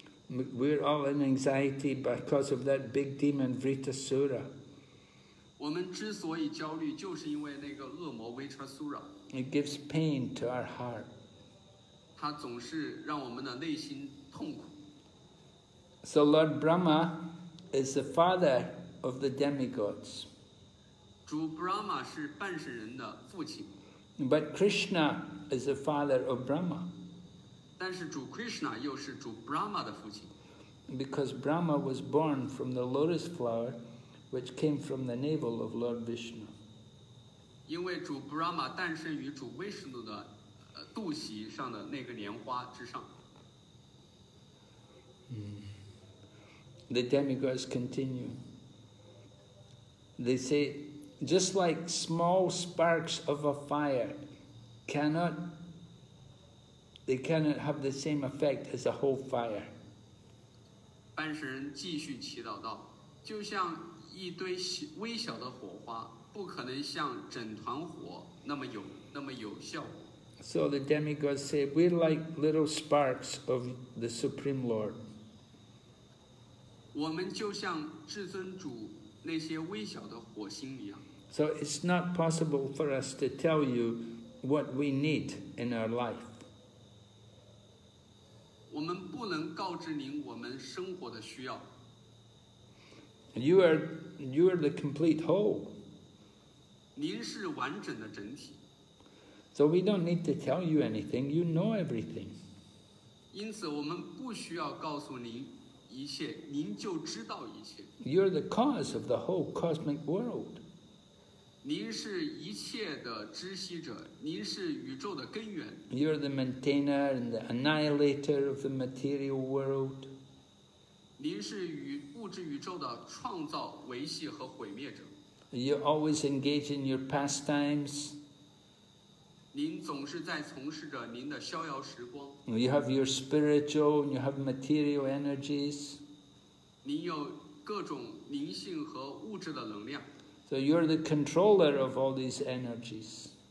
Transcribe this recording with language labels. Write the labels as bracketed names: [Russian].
[English] We're all in anxiety because of that big demon Vritasura. [Chinese] 我们之所以焦虑，就是因为那个恶魔 Vritasura. [English] It gives pain to our heart. [Chinese] 它总是让我们的内心痛苦。 [English] So Lord Brahma is the father of the demigods. [Chinese] 主 Brahma 是半神人的父亲。 [English] But Krishna is the father of Brahma. [Chinese] 但是主 Krishna 又是主 Brahma 的父亲。 [English] Because Brahma was born from the lotus flower, which came from the navel of Lord Vishnu. [Chinese] 因为主 Brahma 诞生于主 Vishnu 的肚脐上的那个莲花之上。 [English] The demigods continue. They say,Just like small sparks of a fire cannot have the same effect as a whole fire. [Chinese] 半神人继续祈祷道，就像一堆微小的火花不可能像整团火那么有效果。 [English] So the demigods say, we're like little sparks of the Supreme Lord. [Chinese] 我们就像至尊主那些微小的火星一样。 [English] So it's not possible for us to tell you what we need in our life. [Chinese] 我们不能告知您我们生活的需要。 [English] You are the complete whole. [Chinese] 您是完整的整体。 [English] So we don't need to tell you anything, you know everything. [Chinese] 因此我们不需要告诉您一切，您就知道一切。 [English] You're the cause of the whole cosmic world. [Chinese] 您是一切的知悉者，您是宇宙的根源。 [English] You're the maintainer and the annihilator of the material world. [Chinese] 您是物质宇宙的创造、维系和毁灭者。 [English] You're always engaged in your pastimes. [Chinese] 您总是在从事着您的逍遥时光。 [English] You have your spiritual and you have material energies. [Chinese] 您有各种灵性和物质的能量。 [English] So you're the controller of all these energies.